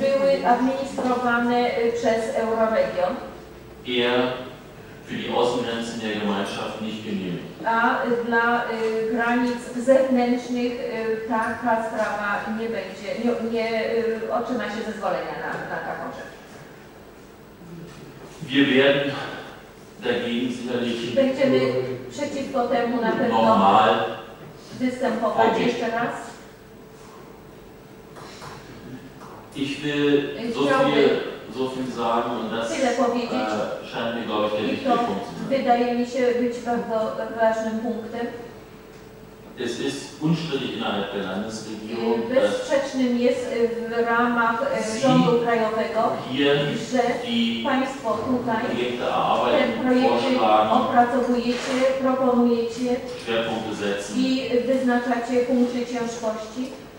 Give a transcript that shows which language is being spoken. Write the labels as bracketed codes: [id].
[pl] Były administrowane przez Euroregion. [de] Eher für die Außengrenzen der Gemeinschaft nicht genehmigt. [pl] A dla granic zewnętrznych taka sprawa nie będzie, nie otrzyma się zezwolenia na taką rzecz. [de] Wir werden dagegen sicherlich [pl] będziemy przeciwko temu na pewno [de] normal [pl] występować jeszcze raz. [de] Ich will so viel sagen und das scheint mir, glaube ich, der wichtige Punkt zu sein. Es ist unstrittig innerhalb der Landesregierung, [pl] bezprzecznym jest w ramach rządu krajowego, że państwo tutaj te projekty opracowujecie, proponujecie i wyznaczacie punkty ciężkości.